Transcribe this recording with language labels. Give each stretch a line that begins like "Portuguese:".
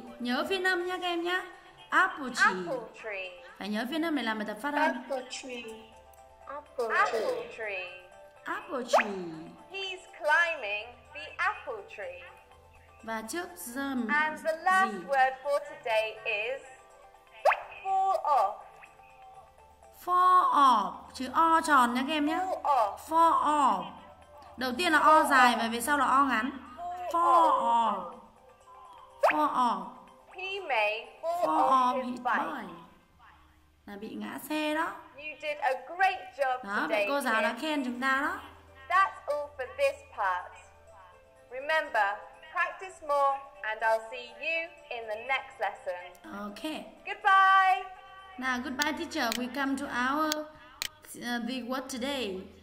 Vietnamese: Nhớ phiên âm nha các em nhé.
English: Apple tree. Apple tree.
Vietnamese: Phải nhớ phiên âm để làm bài tập phát âm.
English: Apple tree. Apple tree. Apple tree. He's climbing the apple tree.
Vietnamese: Và trước dâm gì?
English: And the last word for today is fall off. Fall off.
Vietnamese: Chữ O tròn nha các em nhé.
English: Fall off. Fall off.
Vietnamese: Đầu tiên là O dài và về sau là O ngắn.
English: Fall off. Fall off. He may fall off his bike.
Vietnamese: Là bị ngã xe đó.
English: You did a great job
Vietnamese: đó,
English: today.
Vietnamese: Cô giáo đã khen chúng ta đó.
English: That's all for this part. Remember, practice more and I'll see you in the next lesson. Okay. Goodbye. Now, goodbye teacher. We come to our the what today.